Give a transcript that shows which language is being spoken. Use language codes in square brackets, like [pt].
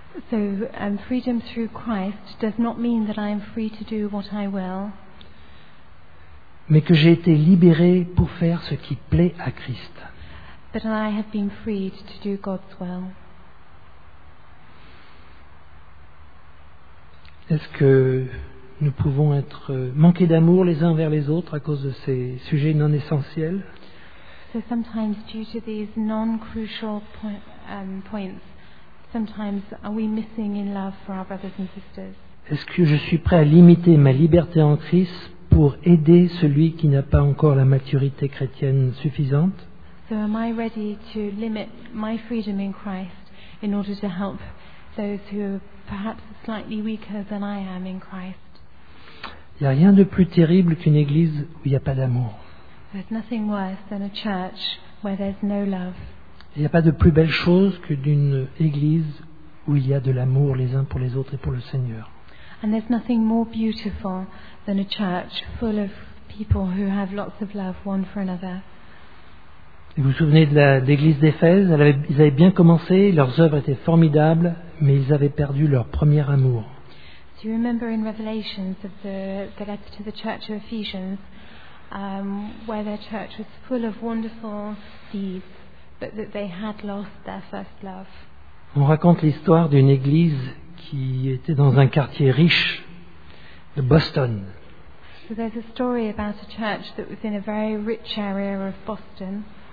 [en] So, freedom through Christ does not mean that I am free to do what I will. [fr] Mais que j'ai été libéré pour faire ce qui plaît à Christ. [en] But I have been freed to do God's will. [fr] Est-ce que nous pouvons être manqués d'amour les uns envers les autres à cause de ces sujets non essentiels? [en] So sometimes due to these non-crucial points, sometimes are we missing in love for our brothers and sisters? [fr] Est-ce que je suis prêt à limiter ma liberté en Christ pour aider celui qui n'a pas encore la maturité chrétienne suffisante? [en] So am I ready to limit my freedom in Christ in order to help those who are perhaps slightly weaker than I am in Christ? [fr] Il n'y a rien de plus terrible qu'une église où il n'y a pas d'amour. [en] There's nothing worse than a church where there's no love. [fr] Il n'y a pas de plus belle chose que d'une église où il y a de l'amour les uns pour les autres et pour le Seigneur. [en] And there's nothing more beautiful than a church full of people who have lots of love one for another. [fr] Vous vous souvenez de l'église d'Éphèse? Ils avaient bien commencé, leurs œuvres étaient formidables, mais ils avaient perdu leur premier amour. [en] Do you remember in Revelations of the letter to the church of Ephesians, where their church was full of wonderful deeds, but that they had lost their first love? [fr] On raconte l'histoire d'une église qui était dans un quartier riche de Boston. [en] So there's a story about a church that was in a very rich area of Boston.